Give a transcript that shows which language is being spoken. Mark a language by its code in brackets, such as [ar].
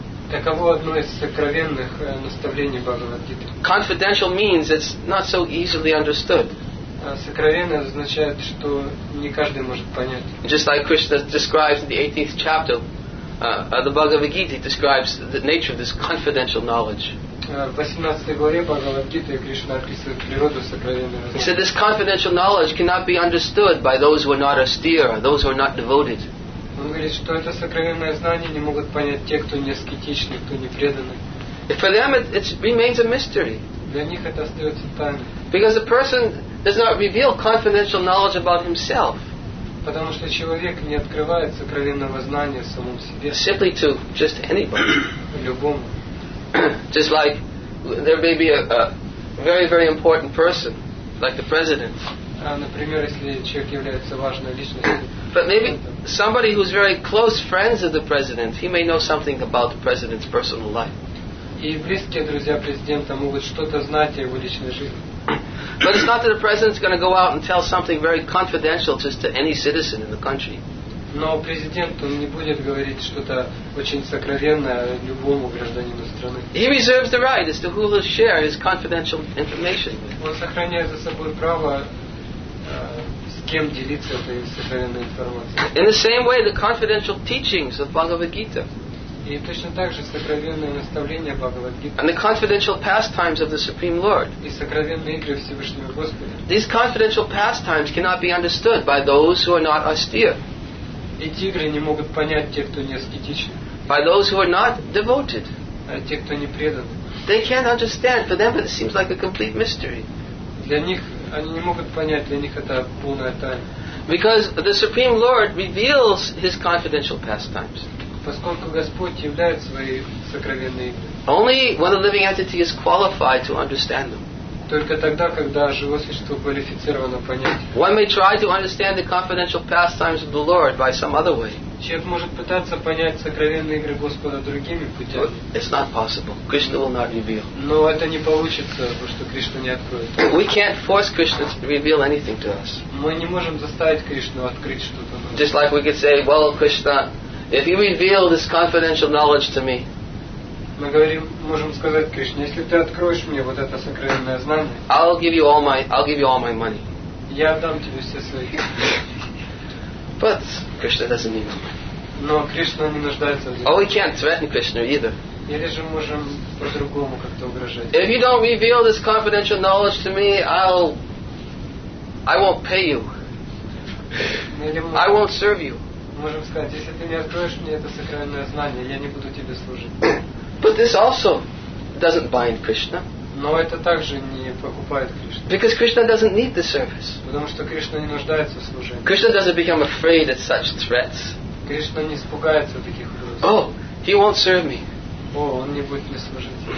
[ru] Таково одно из сокровенных наставлений Бхагавад Гиты. [en] Confidential means it's not so easily understood. [ru] Сокровенное означает, что не каждый может понять. [en] Just like Krishna describes in the 18th chapter of the Bhagavad Gita, he describes the nature of this confidential knowledge. [ru] Кришна, в 18 главе Бхагавад-гиты Кришна описывает природу сокровенного знания. [en] He said this confidential knowledge cannot be understood by those who are not austere, those who are not devoted. [ru] Он говорит, что это сокровенное знание не могут понять те, кто не аскетичны, кто не преданы. [en] For them it remains a mystery. [ru] Для них это остается тайной. [en] Because a person does not reveal confidential knowledge about himself. [ru] Потому что человек не открывает сокровенного знания самому себе. [en] Simply to just anybody. [ru] Любому. [en] Just like there may be a very very important person, like the president. [ru] Например, если человек является важной личностью. [en] But maybe somebody who's very close friends of the president, he may know something about the president's personal life. [ru] И близкие друзья президента могут что-то знать о его личной жизни. [en] But it's not that the president's going to go out and tell something very confidential just to any citizen in the country. [ru] Но президент, он не будет говорить что-то очень сокровенное любому гражданину страны. [en] He reserves the right as to who will share his confidential information. [ru] Он сохраняет за собой право с кем делиться этой сокровенной информацией. [en] In the same way, the confidential teachings of Bhagavad Gita. [ru] И точно так же сокровенные наставления Бхагавад-гиты. [en] And the confidential pastimes of the Supreme Lord. [ru] И сокровенные игры Всевышнего Господа. [en] These confidential pastimes cannot be understood by those who are not austere. [ru] Эти игры не могут понять те, кто не аскетичен. [en] By those who are not devoted. [ru] А те, кто не предан. [en] They can't understand. For them, it seems like a complete mystery. [ru] Для них они не могут понять. Для них это полная тайна. [en] Because the Supreme Lord reveals his confidential pastimes. [ru] Поскольку Господь являет свои сокровенные. [en] Only when a living entity is qualified to understand them. [ru] Только тогда, когда живое существо квалифицировано понять. [en] One may try to understand the confidential pastimes of the Lord by some other way. [ru] Человек может пытаться понять сокровенные игры Господа другими путями. [en] But it's not possible. Krishna will not reveal. [ru] Но это не получится, потому что Кришна не откроет. [en] We can't force Krishna to reveal anything to us. [ru] Мы не можем заставить Кришну открыть что-то. [en] Just like we could say, well, Krishna, if you reveal this confidential knowledge to me. [ru] Мы говорим, можем сказать Кришне, если ты откроешь мне вот это сокровенное знание. [en] I'll give you all my money. [ru] Я отдам тебе все свои. [en] But Krishna doesn't need money. [ru] Но Кришна не нуждается в этом. [en] Oh, we can't threaten Krishna either. [ru] Или же можем по-другому как-то угрожать. [en] If you don't reveal this confidential knowledge to me, I won't pay you. I won't serve you. [ru] Можем сказать, если ты не откроешь мне это сокровенное знание, я не буду тебе служить. [en] But this also doesn't bind Krishna. [ru] Но это также не покупает Кришну. [en] Because Krishna doesn't need the service. [ru] Потому что Кришна не нуждается в служении. [en] Krishna doesn't become afraid at such threats. [ru] Кришна не испугается таких угроз. [en] Oh, he won't serve me. [ru] О, он не будет мне служить.